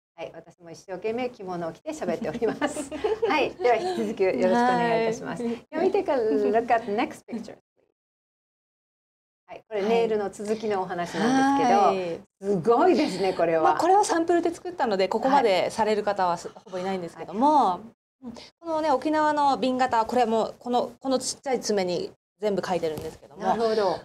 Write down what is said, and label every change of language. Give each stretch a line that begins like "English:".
Japanese: はい、私も一生懸命着物を着て喋っております。はい、では引き続きよろしくお願いいたします。
English: Can we take a look at the next picture?
Japanese: はい、これネイルの続きのお話なんですけど、はい、すごいですねこれは、まあ、これはサンプルで作ったのでここまでされる方は、はい、ほぼいないんですけども、はい、このね沖縄の瓶型、これもこのちっちゃい爪に全部書いてるんですけども、なるほど、